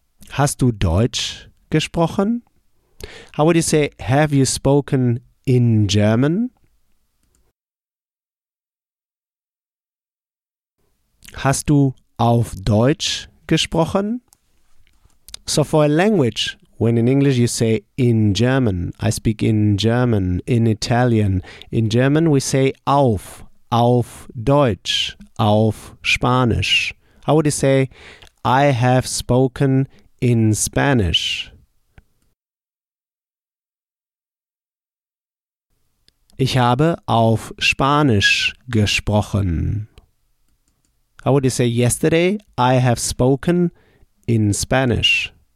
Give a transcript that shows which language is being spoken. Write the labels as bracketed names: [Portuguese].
[German] Hast du Deutsch gesprochen? [English] How would you say, have you spoken in German? [German] Hast du auf Deutsch gesprochen? [English] So for a language, when in English you say in German, I speak in German, in Italian. In German we say [German] auf Deutsch, auf Spanisch. [English] How would you say, I have spoken in Spanish? [German] Ich habe auf Spanisch gesprochen. [English] How would you say, yesterday I have spoken in Spanish?